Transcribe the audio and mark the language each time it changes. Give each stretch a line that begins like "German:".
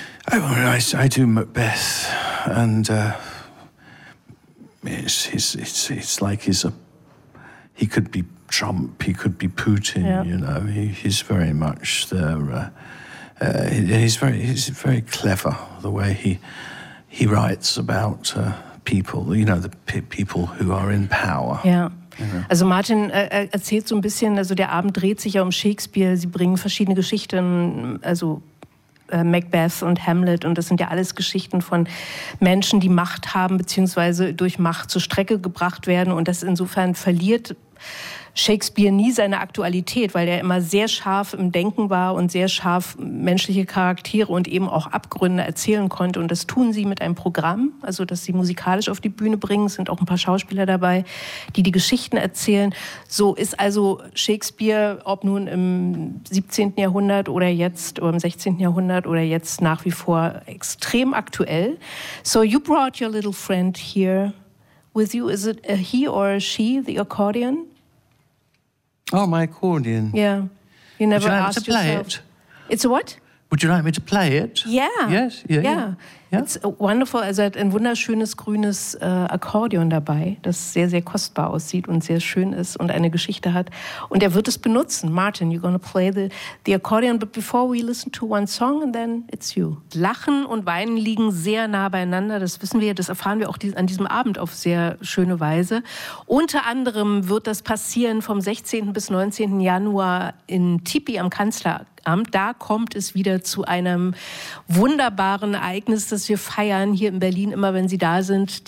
English: I do Macbeth, and it's like he's a, he could be Trump, he could be Putin, yeah. You know. He's very much there. He's very clever the way he writes about people, you know, the people who are in power. Yeah.
German: Also Martin erzählt so ein bisschen, also der Abend dreht sich ja um Shakespeare, sie bringen verschiedene Geschichten, also Macbeth und Hamlet, und das sind ja alles Geschichten von Menschen, die Macht haben beziehungsweise durch Macht zur Strecke gebracht werden, und das insofern verliert Shakespeare nie seine Aktualität, weil er immer sehr scharf im Denken war und sehr scharf menschliche Charaktere und eben auch Abgründe erzählen konnte. Und das tun sie mit einem Programm, also dass sie musikalisch auf die Bühne bringen. Es sind auch ein paar Schauspieler dabei, die die Geschichten erzählen. So ist also Shakespeare, ob nun im 17. Jahrhundert oder jetzt, oder im 16. Jahrhundert oder jetzt, nach wie vor extrem aktuell.
English: So you brought your little friend here with you. Is it a he or a she, the accordion? Oh, my accordion. Yeah. You never asked Would you like me to play yourself? It? It's a what? Would you like me to play it? Yeah. Yes. Yeah. It's wonderful.
German: Also hat ein wunderschönes grünes Akkordeon dabei, das sehr, sehr kostbar aussieht und sehr schön ist und eine Geschichte hat. Und wird es benutzen.
English: Martin, you're going to play the accordion. But before we listen to one song, and then it's you.
German: Lachen und Weinen liegen sehr nah beieinander. Das wissen wir, das erfahren wir auch an diesem Abend auf sehr schöne Weise. Unter anderem wird das passieren vom 16. bis 19. Januar in Tipi am Kanzleramt. Da kommt es wieder zu einem wunderbaren Ereignis, das wir feiern hier in Berlin, immer wenn sie da sind.